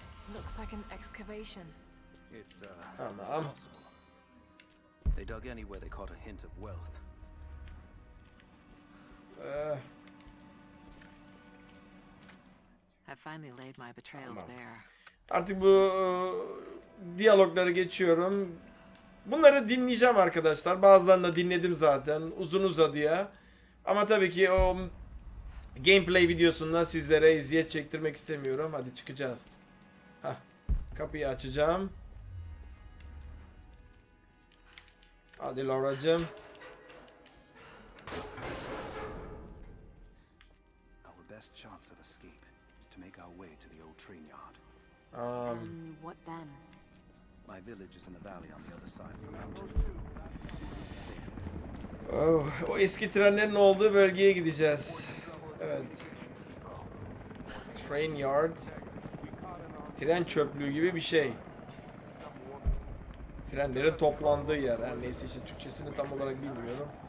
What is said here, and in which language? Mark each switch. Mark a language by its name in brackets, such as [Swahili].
[English] It looks like an excavation. It's impossible. They dug anywhere they caught a hint of wealth. I've finally laid my betrayals bare. [Turkish] Artık bu diyalogları geçiyorum. Bunları dinleyeceğim arkadaşlar. Bazılarını da dinledim zaten. Uzun uzadıya. Ama tabii ki o gameplay videosundan sizlere eziyet çektirmek istemiyorum. Hadi çıkacağız. Kapıyı açacağım. Hadi Laura'cığım. [English] Our best chance of escape is to make our way to the old train yard. What then? My village is in the valley on the other side of the mountain. [Turkish] O eski trenlerin olduğu bölgeye gideceğiz. Evet. Train yard. Tren çöplüğü gibi bir şey. Trenlerin toplandığı yer. Her neyse, işte Türkçesini tam olarak bilmiyorum.